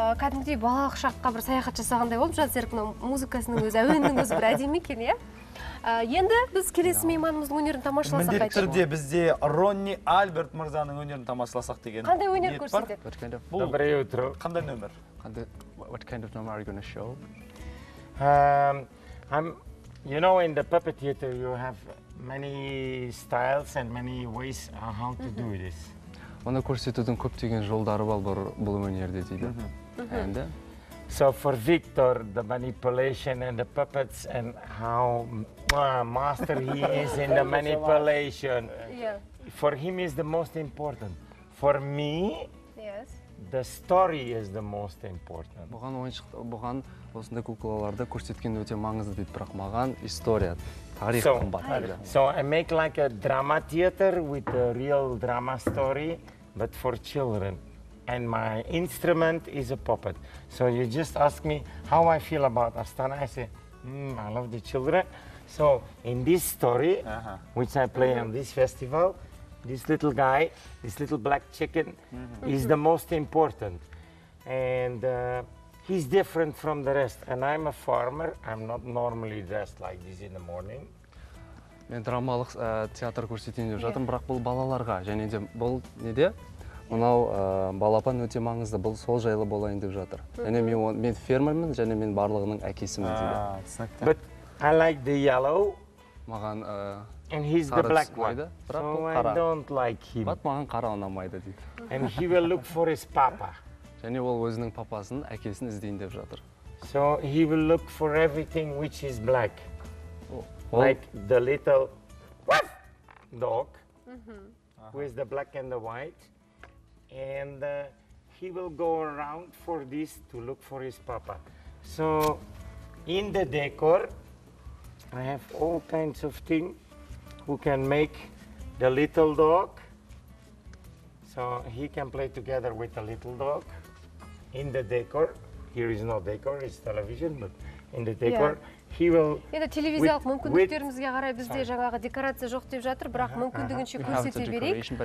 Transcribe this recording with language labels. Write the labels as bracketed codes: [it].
[kk] Кәдімгідей балалық шаққа бір саяхат жасағандай болып жатсыр, мына музыкасының өзі, әуеннің өзі бір әдемі екен, иә? Енді біз келесі мейманымыздың өнерін тамашаласақ қайтып. Міндетті түрде бізде Ронни Альберт мырзаның өнерін тамашаласақ деген. Қандай өнер көрсетеді? Бұл біреу тұру. Қандай нөмір? Қандай [en] what kind of number are you going to show? You know, in the puppet theater you have many styles and many ways how to do this. [kk] Оны көрсетудің көптеген жолдары бар бұл өнерде дейді. Әнді? [en] So for Victor, the manipulation and the puppets and how master he is in the manipulation. Yeah. For him is the most important. For me, yes. The story is the most important. [kk] Бұған ойыншық, бұған осындай куклаларды көрсеткен өте маңызды дейді, бірақ маған история. [en] So I make like a drama theater with a real drama story, but for children. And my instrument is a puppet. So you just ask me how I feel about Astana. I say, I love the children. So in this story, which I play on this festival, this little guy, this little black chicken, is the most important. And he's different from the rest. And I'm a farmer. I'm not normally dressed like this in the morning. [kk] Мен драмалық театр көрсетейін деп жатырмын, бірақ бұл балаларға және де бұл неде мынау балапан өте маңызды, бұл сол жайлы болайын деп жатыр. Және мен фермермін және мен барлығының әкесімін дейді. [en] But I like the yellow. [kk] Маған [en] and he's the black one. So I don't like him. [kk] But маған қара ұнамайды дейді. [en] And he will look for his papa. [kk] Және ол өзінің папасын, әкесін іздейін деп жатыр. [en] So he will look for everything which is black. Like the little woof dog with the black and the white. And he will go around for this to look for his papa. So in the decor, I have all kinds of thing who can make the little dog. So he can play together with the little dog in the decor. Here is no decor, it's television, but in the decor. Yeah. [kk] Енді телевизиялық мүмкіндіктерімізге қарай бізде жаңағы декорация жоқ деп жатыр, бірақ мүмкіндігінше көрсете берейік.